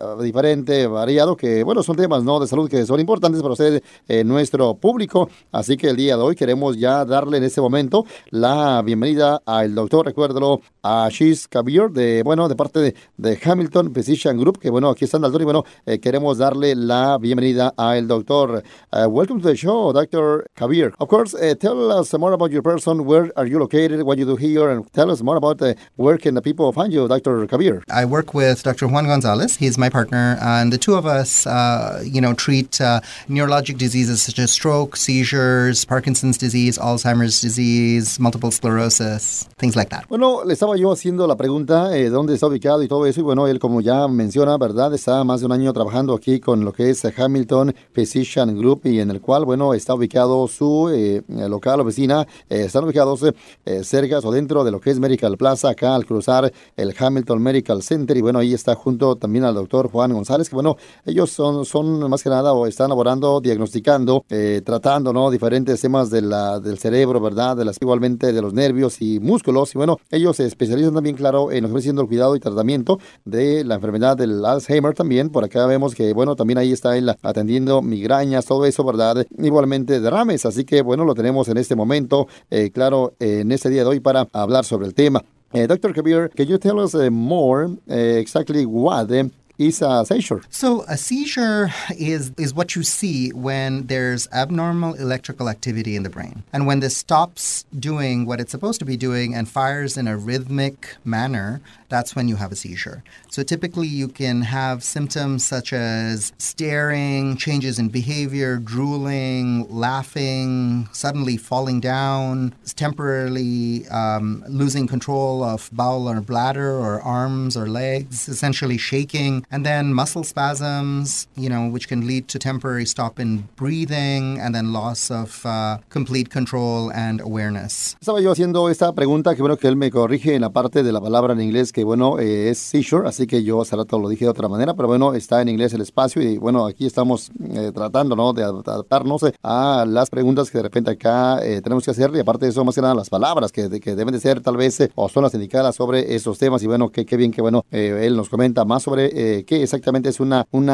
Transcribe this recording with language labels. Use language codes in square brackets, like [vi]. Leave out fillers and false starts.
[es] diferente, variado, que bueno, son temas no de salud que son importantes para ustedes, nuestro público, así que el día de hoy queremos ya darle en este momento la bienvenida al doctor, recuérdelo, a Ashish Kabir, de parte de Hamilton Physician Group, que bueno, aquí están al doctor, y bueno, queremos darle la bienvenida al doctor. [en] Welcome to the show, Dr. Kabir. Of course, tell us more about your person. Where are you located? What you do here? And tell us more about where can the people find you, Dr. Kabir? I work with Dr. Juan Gonzalez. He's my partner. And the two of us, treat neurologic diseases such as stroke, seizures, Parkinson's disease, Alzheimer's disease, multiple sclerosis, things like that. [es] Bueno, le estaba yo haciendo la pregunta, ¿dónde está ubicado y todo eso? Y bueno, él, como ya menciona, ¿verdad? Está más de un año trabajando aquí con lo que es Hamilton Physician Group, y en el cual, bueno, está ubicado su local, oficina, están ubicados cerca o dentro de lo que es Medical Plaza, acá al cruzar el Hamilton Medical Center, y bueno, ahí está junto también al doctor Juan González, que bueno, ellos son más que nada, o están laborando, diagnosticando, tratando, ¿no?, diferentes temas del cerebro, ¿verdad?, igualmente de los nervios y músculos, y bueno, ellos se especializan también, claro, en lo que viene siendo el cuidado y tratamiento de la enfermedad del Alzheimer también. Por acá vemos que bueno, también ahí está él atendiendo migrañas, todo eso, ¿verdad? Igualmente derrames. Así que bueno, lo tenemos en este momento, en este día de hoy para hablar sobre el tema. [en] Dr. Kabir, can you tell us more exactly what is a seizure? So a seizure is what you see when there's abnormal electrical activity in the brain. And when this stops doing what it's supposed to be doing and fires in a rhythmic manner, that's when you have a seizure. So typically you can have symptoms such as staring, changes in behavior, drooling, laughing, suddenly falling down, temporarily losing control of bowel or bladder or arms or legs, essentially shaking. And then muscle spasms, you know, which can lead to temporary stop in breathing and then loss of complete control and awareness. [es] Estaba yo haciendo esta pregunta, que bueno que él me corrige en la parte de la palabra en inglés, que bueno, es seizure, así que yo hace rato lo dije de otra manera, pero bueno, está en inglés el espacio, y bueno, aquí estamos tratando, ¿no?, de adaptarnos a las preguntas que de repente acá tenemos que hacer, y aparte de eso, más que nada, las palabras que deben de ser tal vez o son las indicadas sobre esos temas, y bueno, qué bien que bueno, él nos comenta más sobre qué exactamente es una